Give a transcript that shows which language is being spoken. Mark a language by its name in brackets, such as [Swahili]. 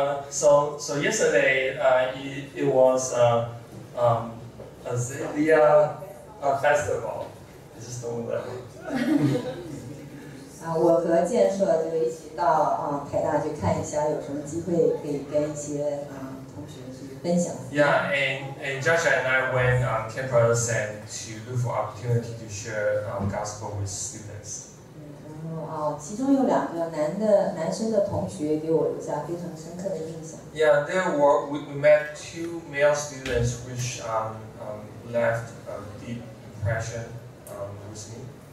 [English] So yesterday it was Azalea Festival. I just don't know that. [Chinese] 我和建设就一起到台大去看一下，有什么机会可以跟一些同学去分享。 [English] Yeah, and Joshua and I went campus and to look for opportunity to share gospel with students. [Chinese] 其中有两个男生的同学给我留下非常深刻的印象。 [English] Yeah, we met two male students which left a deep impression with me.